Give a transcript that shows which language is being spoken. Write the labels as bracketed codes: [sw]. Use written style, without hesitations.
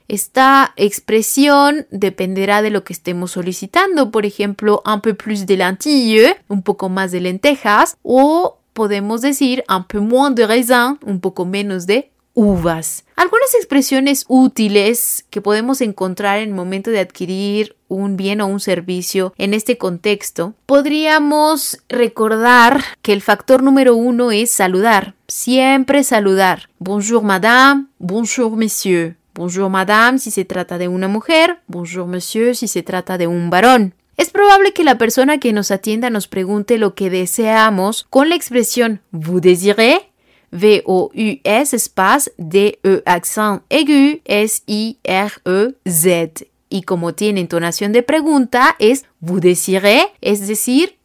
[es] Esta expresión dependerá de lo que estemos solicitando, por ejemplo, [fr] un peu plus de lentilles, [es] un poco más de lentejas, o podemos decir [fr] un peu moins de raisin, [es] un poco menos de uvas. Algunas expresiones útiles que podemos encontrar en el momento de adquirir un bien o un servicio en este contexto, podríamos recordar que el factor número uno es saludar, siempre saludar. [fr] Bonjour madame, bonjour monsieur. Bonjour madame [es] si se trata de una mujer, [fr] bonjour monsieur [es] si se trata de un varón. Es probable que la persona que nos atienda nos pregunte lo que deseamos con la expresión [fr] vous désirez. V-O-U-S, espace, D-E, accent aigu, S-I-R-E-Z. [es] Y como tiene entonación de pregunta, es [fr] vous désirez, [es] es decir,